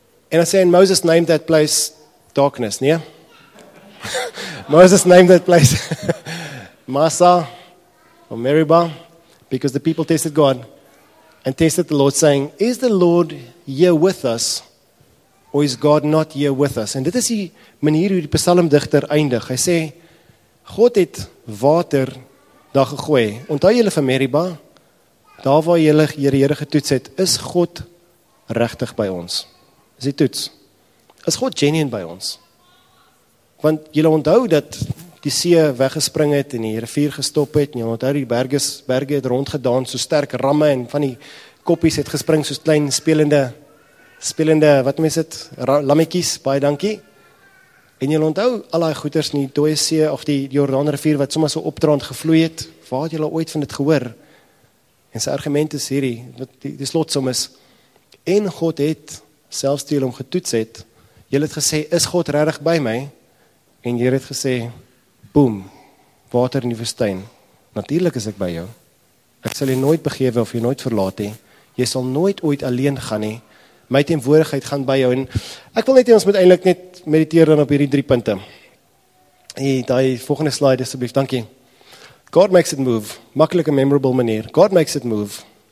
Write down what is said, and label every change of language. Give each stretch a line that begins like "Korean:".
Afrikaans: En hy sê,
English: and Moses named that place darkness,
Afrikaans: nee?
English: Moses named that place Massa or Meribah because the people tested God and tested the Lord saying, is the Lord here with us or is God not here with us?
Afrikaans: En dit is die manier hoe die psalmdichter eindig. Hy sê, God het water daar gegooi. Onthou julle van Meribah, daar waar julle die Here getoets het, is God regtig by ons? Is die toets? Is God genuine by ons? Want julle onthou dat die see weggespring het en die rivier gestop het en julle onthou die berge het rondgedaan so sterk ramme en van die koppies het gespring soos klein spelende, wat noem dit, lammetjies, baie dankie. En julle onthou al die goeders in die dooie see of die Jordaan rivier wat soms so opdraand gevloei het, waar het julle ooit van dit gehoor? En sy argument is hierdie, die slotsom is, en God het, selfs toe julle om getoets het, julle het gesê, is God regtig by my? En hier het gesê, boom, water in die woestyn. Natuurlik is ek by jou. Ek sal jy nooit begewe of jy nooit verlaat hê. Jy sal nooit ooit alleen gaan hê. My teenwoordigheid gaan by jou. En ek wil net hê ons moet eintlik net mediteer dan op hierdie 3 punte. Hey, daai volgende slide asseblief, dankie.
English: God makes it move.
Afrikaans: Maklike memorable manier.
English: God makes it move.